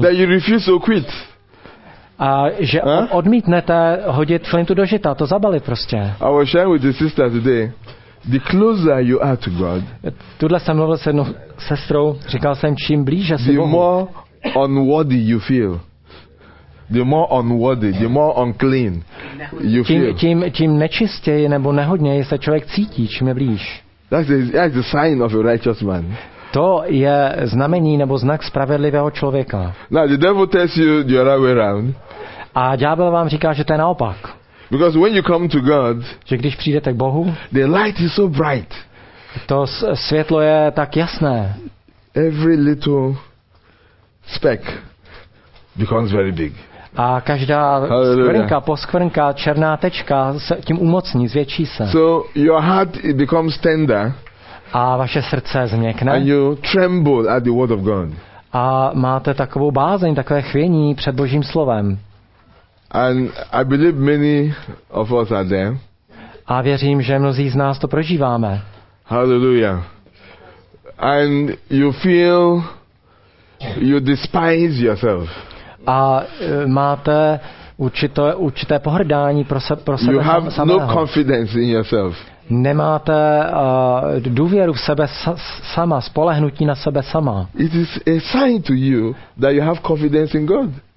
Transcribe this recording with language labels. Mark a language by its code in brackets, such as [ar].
[en] That you refuse to quit. [cs] A že odmítnete hodit flintu do žita, to zabalit prostě. [en] I was sharing with the sister today. The closer you are to God. [cs] Tudle jsem mluvil s jednou sestrou, říkal jsem, čím blíže si [en] Bohu. The more unworthy you feel. The more unworthy, the more unclean you feel. [cs] Tím nečistěji nebo nehodněji se člověk cítí, čím je blíž. [en] That's the sign of a righteous man. [cs] To je znamení nebo znak spravedlivého člověka. [en] Now the devil tells you the other way around. [cs] A ďábel vám říká, že to je naopak. [en] Because when you come to God, [cs] že když přijdete k Bohu, [en] the light is so bright. [cs] To světlo je tak jasné. [en] Every little speck becomes very big. [cs] A každá skvrnka, poskvrnka, černá tečka se tím umocní, zvětší se. [en] So your heart becomes tender. [cs] A vaše srdce změkne. [en] And you tremble at the word of God. [cs] A máte takovou bázeň, takové chvění před Božím slovem. [en] And I believe many of us are there. [cs] A věřím, že mnozí z nás to prožíváme. [en] Hallelujah. And you feel you despise yourself. [cs] a máte určité pohrdání pro sebe samého. [en] You have no confidence in yourself. [cs] Nemáte důvěru v sebe sama, spolehnutí na sebe sama. [en] It is a sign to you that you have confidence in God.